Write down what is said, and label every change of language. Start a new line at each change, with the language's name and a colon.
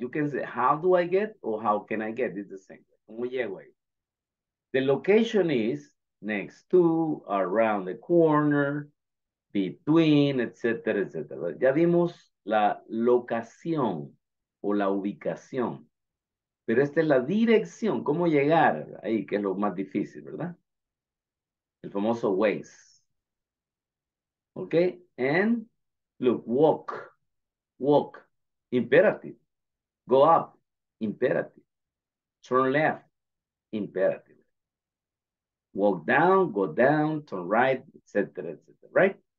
English: You can say how do I get or how can I get? It's the same.
Spanish: ¿Cómo llego?
English: The location is next to, around the corner, between, etc., etc.
Spanish: Ya vimos la locación o la ubicación. Pero esta es la dirección, cómo llegar ahí, que es lo más difícil, ¿verdad? El famoso Waze.
English: Okay, and look, walk, walk, imperative. Go up, imperative. turn left, imperative. Walk down, go down, turn right, etc., etc., right?